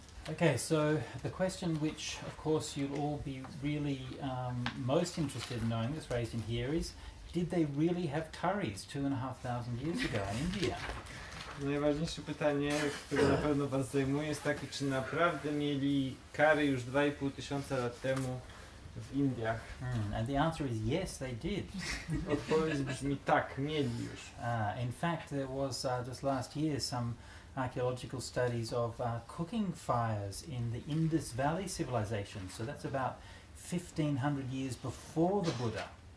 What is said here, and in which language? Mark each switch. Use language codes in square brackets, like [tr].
[en] Okay, so the question which, of course, you'll all be really most interested in knowing, that's raised in here, is did they really have curries 2,500 years ago in India? [pl] Najważniejsze pytanie, które na pewno was zajmuje, jest takie, czy naprawdę mieli curry już 2,500 lat temu w Indiach? [en] And the answer is yes, they did. [pl] Odpowiedź brzmi tak, mieli już. [en] In fact, there was just last year some archaeological studies of cooking fires in the Indus Valley civilization. So that's about 1,500 years before the Buddha.